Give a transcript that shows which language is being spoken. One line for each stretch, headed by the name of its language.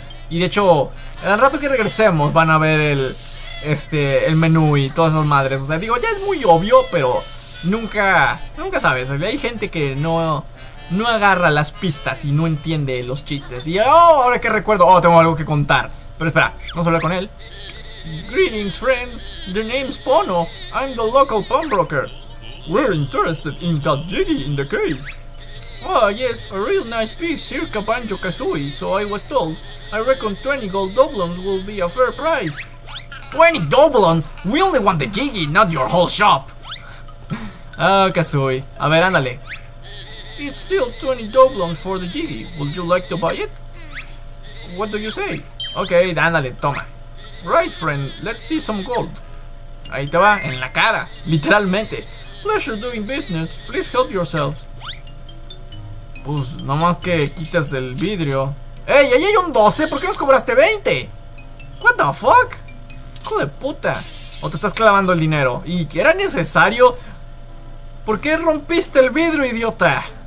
Spanish: Y de hecho, al rato que regresemos van a ver el menú y todas esas madres. O sea, digo, ya es muy obvio, pero nunca sabes. Hay gente que no agarra las pistas y no entiende los chistes. Y oh, ahora que recuerdo, oh, tengo algo que contar. Pero espera, vamos a hablar con él.
English: Greetings, friend. The name's Pono. I'm the local pawnbroker. We're interested in that Jiggy in the cave. Oh, yes, a real nice piece, circa Banjo Kazooie, so I was told. I reckon 20 gold doblons will be a fair price. 20 doblons? We only want the Jiggy, not your whole shop.
Spanish: Oh, Kazooie. A ver, ándale.
English: It's still 20 doblons for the Jiggy. Would you like to buy it? What do you say?
Spanish: Okay, ándale, toma.
English: Right, friend, let's see some gold.
Spanish: Ahí te va, en la cara, literalmente.
English: Pleasure doing business, please help yourself.
Spanish: Pues, nomás que quites el vidrio. ¡Ey, ahí hay un 12! ¿Por qué nos cobraste 20?
English: What the fuck?
Spanish: Hijo de puta. O te estás clavando el dinero. ¿Y era necesario? ¿Por qué rompiste el vidrio, idiota?